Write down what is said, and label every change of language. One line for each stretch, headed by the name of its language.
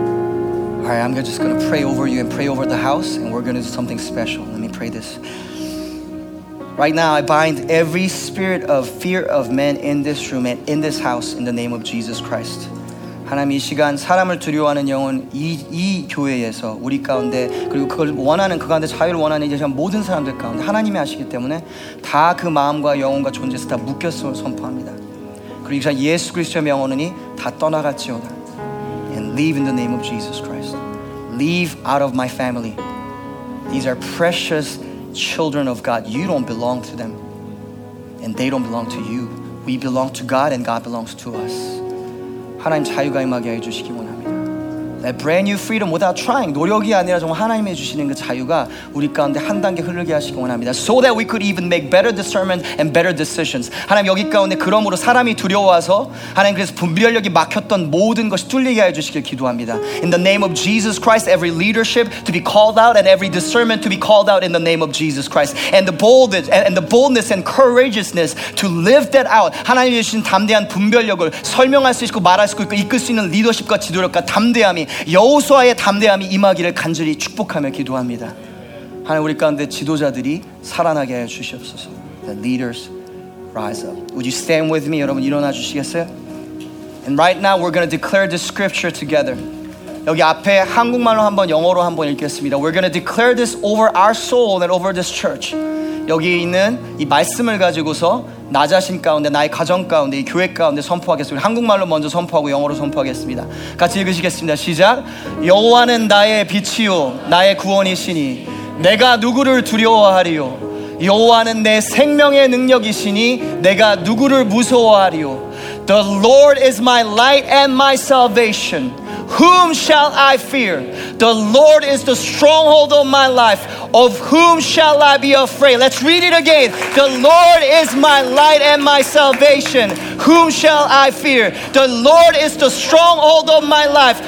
English: I'm just going to pray over you and pray over the house, and we're going to do something special. Let me pray this. Right now, I bind every spirit of fear of men in this room and in this house in the name of Jesus Christ.
Korean: 하나님, 이 시간 사람을 두려워하는 영혼 이 교회에서 우리 가운데 그리고 그걸 원하는 그 가운데 자유를 원하는 이제 모든 사람들 가운데 하나님이 아시기 때문에 다 그 마음과 영혼과 존재에서 다 묶였음을 선포합니다. 그리고 이 시간 예수 그리스도의 명언이 다 떠나갔지오다.
English: And leave in the name of Jesus Christ. Leave out of my family. These are precious children of God. You don't belong to them. And they don't belong to you. We belong to God and God belongs to us.
Korean: 하나님 자유가 임하게 해주시기 원합니다.
English: That brand new freedom without trying.
Korean: 노력이 아니라 정말 하나님이 주시는 그 자유가 우리 가운데 한 단계 흐르게 하시기 원합니다.
English: So that we could even make better discernment and better decisions.
Korean: 하나님 여기 가운데 그러므로 사람이 두려워서 하나님 그래서 분별력이 막혔던 모든 것이 뚫리게 해주시길 기도합니다.
English: In the name of Jesus Christ, every leadership to be called out and every discernment to be called out in the name of Jesus Christ. And the boldness and courageousness to live that out.
Korean: 하나님 주신 담대한 분별력을 설명할 수 있고 말할 수 있고 이끌 수 있는 리더십과 지도력과 담대함이 여호수아의 담대함이 임하기를 간절히 축복하며 기도합니다. 하나님 우리 가운데 지도자들이 살아나게 해 주시옵소서.
English: The leaders rise up. Would you stand with me?
Korean: 여러분 일어나 주시겠어요?
English: And right now we're going to declare this scripture together.
Korean: 여기 앞에 한국말로 한번 영어로 한번 읽겠습니다.
English: We're going to declare this over our soul and over this church.
Korean: 여기 있는 이 말씀을 가지고서 나 자신 가운데, 나의 가정 가운데, 이 교회 가운데 선포하겠습니다. 한국말로 먼저 선포하고 영어로 선포하겠습니다. 같이 읽으시겠습니다. 시작! 여호와는 나의 빛이요, 나의 구원이시니 내가 누구를 두려워하리요. 여호와는 내 생명의 능력이시니 내가 누구를 무서워하리요.
English: The Lord is my light and my salvation. Whom shall I fear? The Lord is the stronghold of my life. Of whom shall I be afraid? Let's read it again. The Lord is my light and my salvation. Whom shall I fear? The Lord is the stronghold of my life.